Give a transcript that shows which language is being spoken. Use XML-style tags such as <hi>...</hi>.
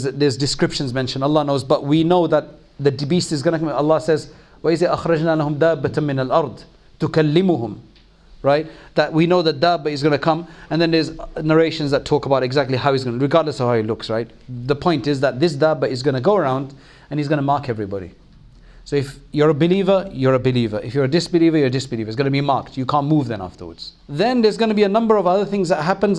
<en>There's descriptions mentioned, Allah knows. But we know that the beast is going to come. Allah says,</en> <ar>وَإِذِ أَخْرَجْنَا لَهُمْ دَابَّةً مِنَ الْأَرْضِ تُكَلِّمُهُمْ.</ar> <en>Right? That we know that Dabba is going to come. And then there's narrations that talk about exactly how he's going to, regardless of how he looks, right? The point is that this Dabba is going to go around and he's going to mark everybody. So if you're a believer, you're a believer. If you're a disbeliever, you're a disbeliever. It's going to be marked. You can't move then afterwards. Then there's going to be a number of other things that happens.</en>